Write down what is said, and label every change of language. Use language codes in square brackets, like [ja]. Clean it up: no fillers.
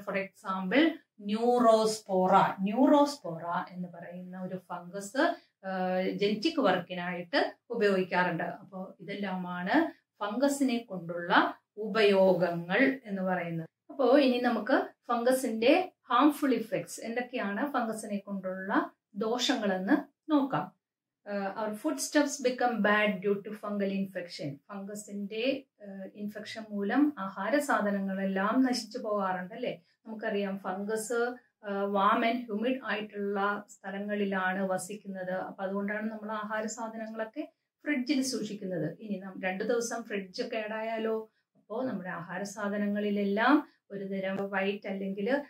[en] for example, [ml] Neurospora. Neurospora എന്ന് പറയുന്ന ഒരു ഫംഗസ് ജെനറ്റിക് വർക്കിനായിട്ട് ഉപയോഗിക്കാറുണ്ട്. അപ്പോൾ ഇതെല്ലാമാണ് ഫംഗസിനെ കൊണ്ടുള്ള ഉപയോഗങ്ങൾ എന്ന് പറയുന്നത്. അപ്പോ ഇനി നമുക്ക് ഫംഗസിന്റെ ഹാംഫുൾ ഇഫക്ട്സ് എന്തൊക്കെയാണ്, ഫംഗസിനെ കൊണ്ടുള്ള ദോഷങ്ങളെന്ന് നോക്കാം. [en] Our foodstuffs become bad due to fungal infection. [ml] ഫംഗസിന്റെ infection മൂലം ആഹാര സാധനങ്ങളെല്ലാം നശിച്ചു പോകാറുണ്ട് അല്ലെ. നമുക്കറിയാം ഫംഗസ് [en] warm and humid [ml] ആയിട്ടുള്ള സ്ഥലങ്ങളിലാണ് വസിക്കുന്നത്. അപ്പൊ അതുകൊണ്ടാണ് നമ്മൾ ആഹാര സാധനങ്ങളൊക്കെ ഫ്രിഡ്ജിൽ സൂക്ഷിക്കുന്നത്. ഇനി രണ്ടു ദിവസം ഫ്രിഡ്ജ് കേടായാലോ? അപ്പോ നമ്മുടെ ആഹാര സാധനങ്ങളിലെല്ലാം ഒരു തരം വൈറ്റ് അല്ലെങ്കിൽ